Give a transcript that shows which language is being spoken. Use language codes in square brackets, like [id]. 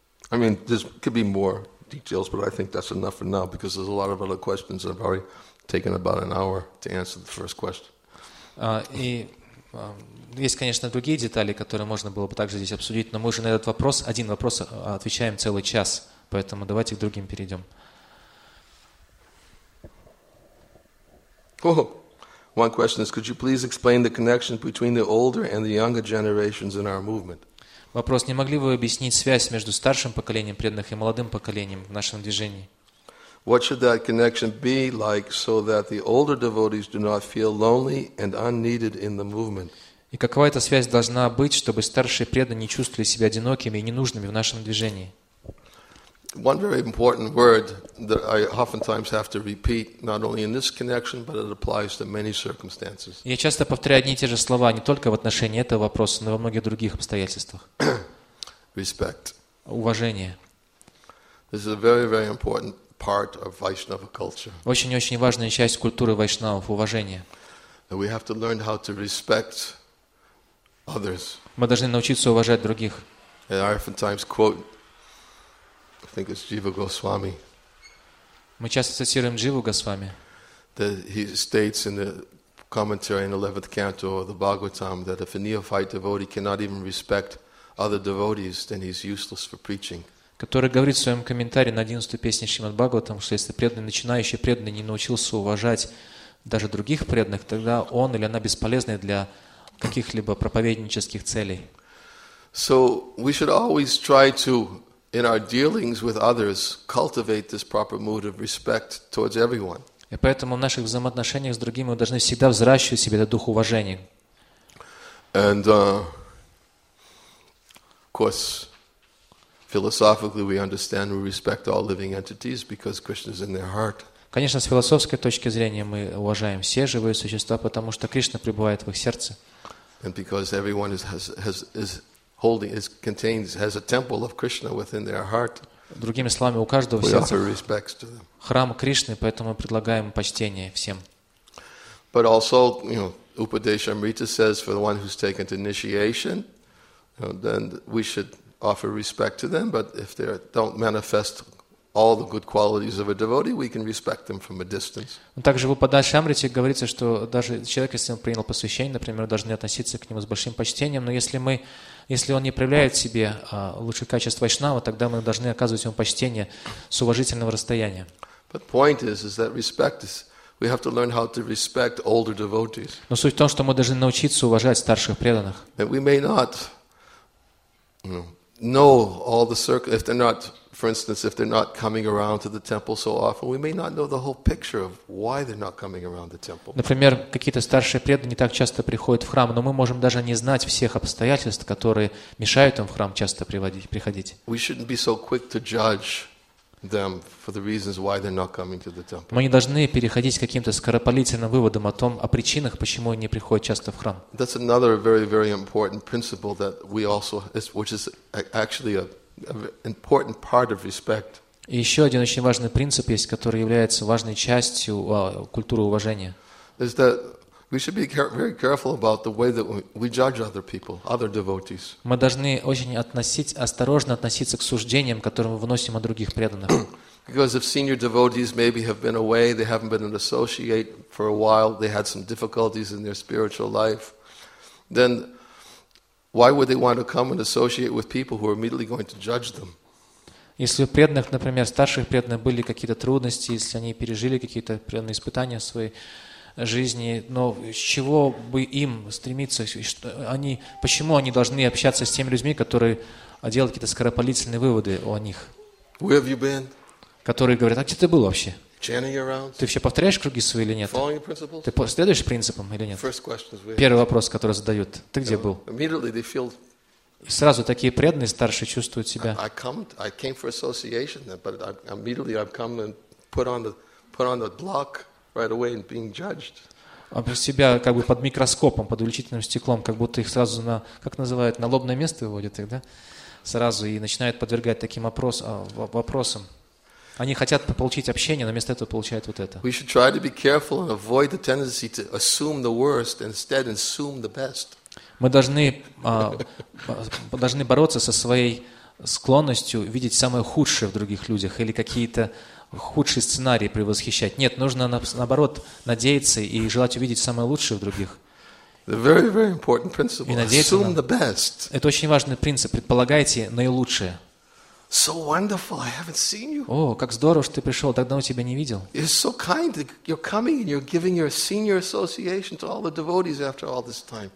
[en] I mean, there could be more details, but I think that's enough for now because there's a lot of other questions. I've already taken about an hour to answer the first question. [ru] Есть, конечно, другие детали, которые можно было бы также здесь обсудить, но мы уже на этот вопрос, один вопрос, отвечаем целый час, поэтому давайте к другим перейдем. [en] Oh, one question is, could you please explain the connection between the older and the younger generations in our movement? [ru] Вопрос, не могли бы вы объяснить связь между старшим поколением преданных и молодым поколением в нашем движении? [en] What should that connection be like so that the older devotees do not feel lonely and unneeded in the movement? [ru] И какова эта связь должна быть, чтобы старшие преданные чувствовали себя одинокими и ненужными в нашем движении? [en] One very important word that I oftentimes have to repeat, not only in this connection, but it applies to many circumstances. [ru] Я часто повторяю одни и те же слова не только в отношении этого вопроса, но и во многих других обстоятельствах. [en] Respect. [ru] Уважение. [en] This is a very, very important part of Vaishnava culture. [ru] Очень-очень важная часть культуры вайшнавов – уважение. [en] We have to learn how to respect others. [ru] Мы должны научиться уважать других. [en] And I oftentimes quote. I think it's Jiva Goswami. [ru] Мы часто цитируем Дживу Госвами. [en] That he states in the commentary in the 11th canto of the Bhagavatam that if a neophyte devotee cannot even respect other devotees, then he's useless for preaching. [ru] Который говорит в своем комментарии на 11-ю песню Шримад Бхагаватам, что если преданный начинающий преданный не научился уважать даже других преданных, тогда он или она бесполезны для каких-либо проповеднических целей. [en] So we should always try to in our dealings with others, cultivate this proper mood of respect towards everyone. [ru] И поэтому в наших взаимоотношениях с другими мы должны всегда взращивать себе этот дух уважения. [en] And of course, philosophically we understand we respect all living entities because Krishna is in their heart. [ru] Конечно, с философской точки зрения мы уважаем все живые существа, потому что Кришна пребывает в их сердце. [en] And because everyone has holding is contains has a temple of Krishna within their heart. [ru] Другими словами, у каждого сердца храм Кришны, поэтому мы предлагаем почтение всем. [en] But also, you know, Upadeshamrita says for the one who's taken to initiation, you know, then we should offer respect to them, but if they don't manifest all the good qualities of a devotee, we can respect them from a distance. [ru] Также в Упадашамрите говорится, что даже человек, если он принял посвящение, например, должны относиться к нему с большим почтением, но если он не проявляет в себе лучших качеств вайшнава, тогда мы должны оказывать ему почтение с уважительного расстояния. [en] But point is that respect is we have to learn how to respect older devotees. [ru] Но суть в том, что мы должны научиться уважать старших преданных. [en] That we may not know all the circles if they're not for instance, if they're not coming around to the temple so often, we may not know the whole picture of why they're not coming around the temple. [ru] Например, какие-то старшие преданные не так часто приходят в храм, но мы можем даже не знать всех обстоятельств, которые мешают им в храм часто приходить. [en] We shouldn't be so quick to judge them for the reasons why they're not coming to the temple. [ru] Мы не должны переходить к каким-то скоропалительным выводам о том, о причинах, почему они не приходят часто в храм. [en] That's another very, very important principle that we also, which is actually an important part of respect. [ru] И еще один очень важный принцип есть, который является важной частью культуры уважения. [en] Is that we should be very careful about the way that we judge other people, other devotees. [ru] Мы должны очень осторожно относиться к суждениям, которые мы вносим о других преданных. [en] Because if senior devotees maybe have been away, they haven't been an associate for a while, they had some difficulties in their spiritual life, then why would they want to come and associate with people who are immediately going to judge them? [ru] Если у преданных, например, старших преданных были какие-то трудности, если они пережили какие-то определенные испытания в своей жизни, но с чего бы им стремиться? Почему они должны общаться с теми людьми, которые делают какие-то скоропалительные выводы о них? [en] Where have you been? [ru] Которые говорят, а где ты был вообще? [en] Chanting your rounds? [ru] Ты все повторяешь круги свои или нет? [en] Following your principles? [ru] Ты следуешь принципам или нет? [en] First question is, [ru] первый вопрос, который задают. Ты где был? [en] Immediately they feel. [ru] И сразу такие преданные старшие чувствуют себя. [en] I came for association, but immediately I've come and put on the block right away and being judged. [ru] Себя как бы под микроскопом, под увеличительным стеклом, как будто их сразу на, как называют, на лобное место выводят их, да? Сразу и начинают подвергать таким вопросам. Они хотят получить общение, но вместо этого получают вот это. [en] We should try to be careful and avoid the tendency to assume the worst and instead assume the best. [ru] Мы должны бороться со своей склонностью видеть самое худшее в других людях или какие-то худшие сценарии превосхищать. Нет, нужно наоборот надеяться и желать увидеть самое лучшее в других. [en] The very, very important principle. Assume the best. [ru] Это очень важный принцип. Предполагайте наилучшее. [en] So wonderful, I haven't seen you. [ru] О, как здорово, что ты пришел, так давно тебя не видел. [en] It's so kind that you're coming and you're giving your senior association to all the devotees after all this time.